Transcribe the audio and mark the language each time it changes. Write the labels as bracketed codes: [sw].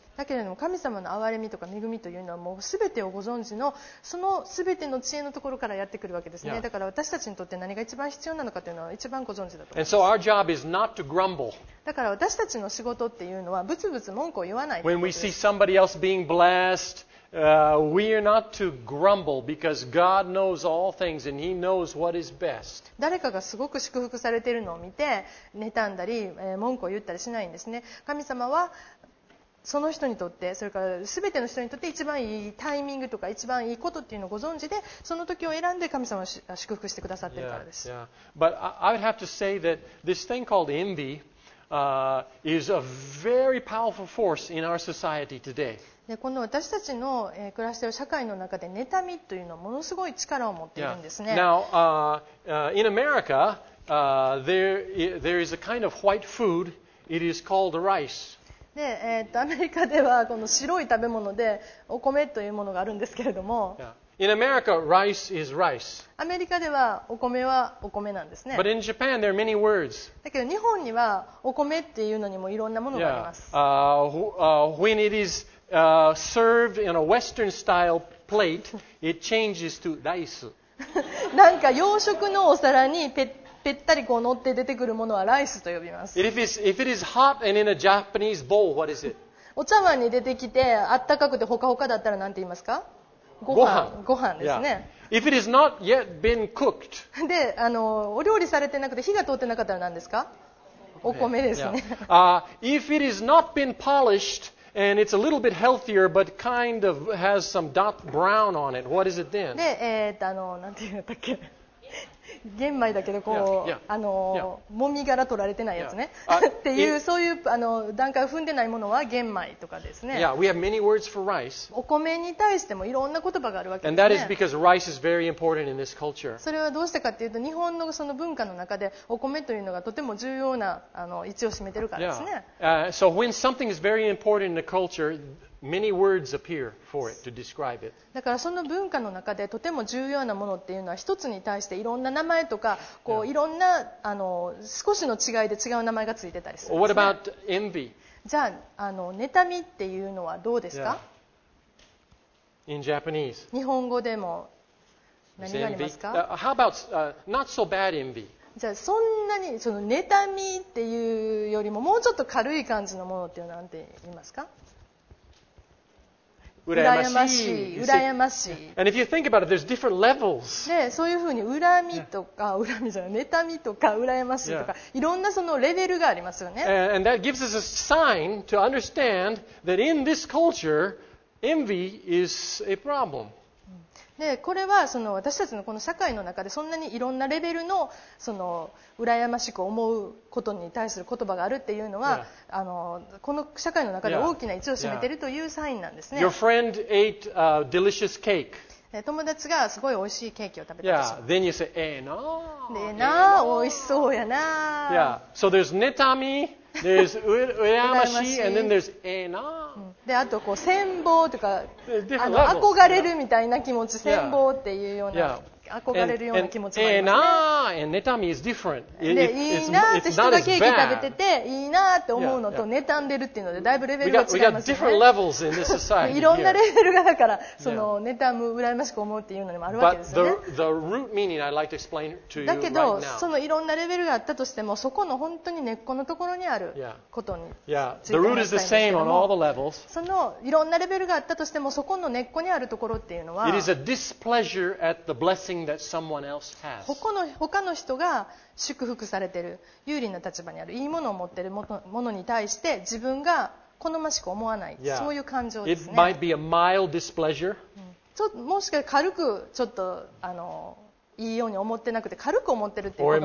[ja] だけれども神様の憐れみとか恵みというのはもうすべてをご存知のそのすべての知恵のところからやってくるわけですね。だから私たちにとって何が一番必要なのかというのは一番ご存知だと思います。 [en] And so our job is not to grumble. [ja] だから私たちの仕事っていうのはブツブツ文句を言わないということです。 [en] When we see somebody else being blessed, we are not to grumble because God knows all things and He knows what is best. [ja] 誰かがすごく祝福されているのを見て妬んだり文句を言ったりしないんですね。神様はその人にとって、それから全ての人にとって一番いいタイミングとか一番いいことっていうのをご存知で、その時を選んで神様を祝福してくださってるからです。 [en] Yeah, yeah. But I would have to say that this thing called envy, is a very powerful force in our society today. [ja] でこの私たちの暮らしている社会の中で妬みというのはものすごい力を持っているんですね。 [en] Yeah. Now, in America, there is a kind of white food. It is called rice. [ja] でアメリカではこの白い食べ物でお米というものがあるんですけれども、 [en] yeah. In America, rice is rice. [ja] アメリカではお米はお米なんですね。 [en] But in Japan, there are many words. [ja] だけど日本にはお米っていうのにもいろんなものがあります。 [en] Yeah. When it is served in a Western style plate, it changes to rice. [ja] なんか洋食のお皿にぺったりこう乗って出てくるものはライスと呼びます。 [en] If it is hot and in a Japanese bowl, what is it? [ja] お茶碗に出てきてあったかくてほかほかだったら何て言いますか？ご飯ですね。 [en] Yeah. If it is not yet been cooked. [ja] で、お料理されてなくて火が通ってなかったら何ですか？お米ですね。 [en] Yeah. If it is not been polished. And it's a little bit healthier, but kind of has some dark brown on it. What is it then? [ja] で、なんていうんだっけ、玄米だけどこう、もみ殻取られてないやつね。っていうそういう段階を踏んでないものは玄米とかですね。 [en] Yeah, we have many words for rice. [ja] お米に対してもいろんな言葉があるわけですね。 [en] And that is because rice is very important in this culture. [ja] それはどうしてかっていうと、日本のその文化の中でお米というのがとても重要な位置を占めてるからですね。 [en] So when something is very important in the culture, many words appear for it to describe it. [ja] だからその文化の中でとても重要なものっていうのは一つに対していろんな名前とかこういろんな少しの違いで違う名前がついてたりするんですね。 [en] What about envy? [ja] じゃあ妬みっていうのはどうですか？ [en] Yeah. In Japanese. [ja] 日本語でも何がありますか？ [en] How about not so bad envy? [ja] じゃあそんなにその妬みっていうよりももうちょっと軽い感じのものっていうのは何て言いますか？羨ましい。 [en] And if you think about it, there's different levels. [ja] ね、そういうふうに恨みとか、yeah. 恨みじゃない、妬みとか羨ましいとか、yeah. いろんなそのレベルがありますよね。 [en] And that gives us a sign to understand that in this culture, envy is a problem. [ja] で、これはその私たちのこの社会の中でそんなにいろんなレベルのその羨ましく思うことに対する言葉があるっていうのは、yeah. あのこの社会の中で大きな位置を占めているというサインなんですね。 [en] Your friend ate a delicious cake. [ja] 友達がすごい美味しいケーキを食べたとします。 [en] Yeah. Then you say, [ja] ええなぁ。でなぁ、美味しそうやなぁ。 [en] Yeah. So there's 妬み、there's 羨ましい、and then there's [ja] ええなぁ。であとこう、羨望とか、あの憧れるみたいな気持ち、羨望っていうような。 [en] Yeah. Yeah. [ja] 憧れるような気持ちもありますね。妬みは [en] different。 [ja] で、いいなって人がケーキ食べてて、いいなって思うのと妬んでるっていうので、だいぶレベルが違いますよね。 [en] We got different levels in this [ja] いろんなレベルがだから、その妬む、羨ましく思うっていうのにもあるわけですね。 [en] The root meaning I'd like to explain to you [ja] だけど、そのいろんなレベルがあったとしても、そこの本当に根っこのところにあることについて話したいんですけども、そのいろんなレベルがあったとしても、そこの根っこにあるところっていうのは、 [en] It is a displeasure at the blessing that someone else has. [ja] 他の人が祝福されている、有利な立場にある、いいものを持っているものに対して自分が好ましく思わない、 [en] yeah. [ja] そういう感情ですね。 [en] It might be a mild displeasure. [ja] ちょっともしかしたら軽くちょっとあのいいように思ってなくて軽く思ってるっていうこと